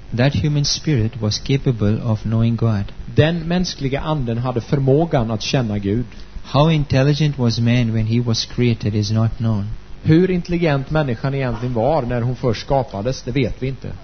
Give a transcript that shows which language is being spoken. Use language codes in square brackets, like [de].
[en] That human spirit was capable of knowing God. [sv] Den mänskliga anden hade förmågan att känna Gud. [en] How intelligent was man when he was created is not known. [sv] Hur intelligent människan egentligen var när hon först skapades, det vet vi inte.